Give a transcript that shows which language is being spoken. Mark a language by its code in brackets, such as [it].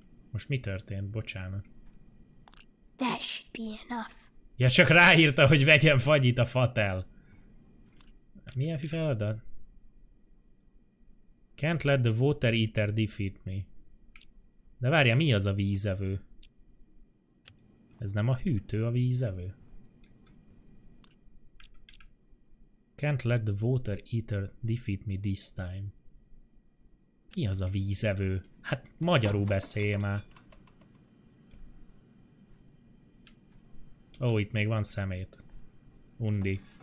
[hu] Most mi történt? Bocsánat. [en] That should be enough. [hu] Ja, csak ráírta, hogy vegyen fagyit a fatel. Milyen feladat? [en] Can't let the water eater defeat me. [hu] De várja, mi az a vízevő? Ez nem a hűtő, a vízevő? [en] Can't let the water eater defeat me this time. [hu] Mi az a vízevő? Hát magyarul beszélj már. Ó, itt még van szemét. Undi.